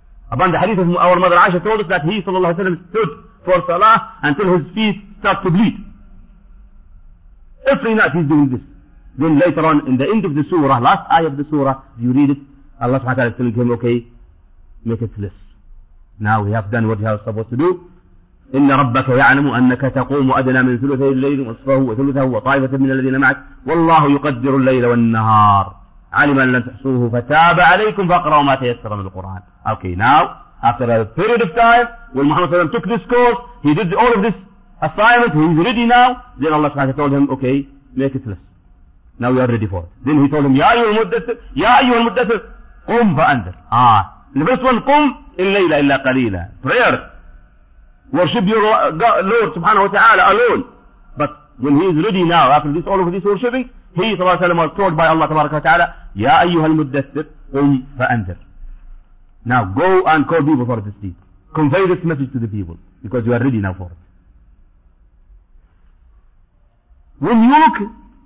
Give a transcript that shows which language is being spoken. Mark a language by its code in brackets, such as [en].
[en] Upon the hadith of our mother Aisha told us that he, sallallahu alayhi wa sallam, stood for salah until his feet start to bleed. Every night he's doing this. Then later on, in the end of the surah, last ayah of the surah, you read it, Allah subhanahu wa ta'ala telling him, okay, make it less. Now we have done what we are supposed to do. [ar] إن ربك يعلم أنك تقوم أدنى من ثلثي الليل ونصفه وثلثه وطائفة من الذين معك والله يقدر الليل والنهار علم أن لن تحصوه فتاب عليكم فاقرأوا ما تيسر من القرآن. [en] Okay, now after a period of time when Muhammad sallam took this course, he did all of this assignment, he is ready now. Then Allah subhanahu wa ta'ala told him, okay, make it less. Now you are ready for it. Then he told him, [ar] يا أيها المدثر قم فأنذر. [en] The first one, [ar] قم الليل إلا قليلا. [en] Prayer. Worship your Lord subhanahu wa ta'ala alone. But when he is ready now, after this, all of this worshipping, he sallallahu alayhi wa sallam was told by Allah tabaraka wa ta'ala, ya ayyuhal muddathir, qum fa'anzir. Now go and call people for this deed. Convey this message to the people, because you are ready now for it. When you look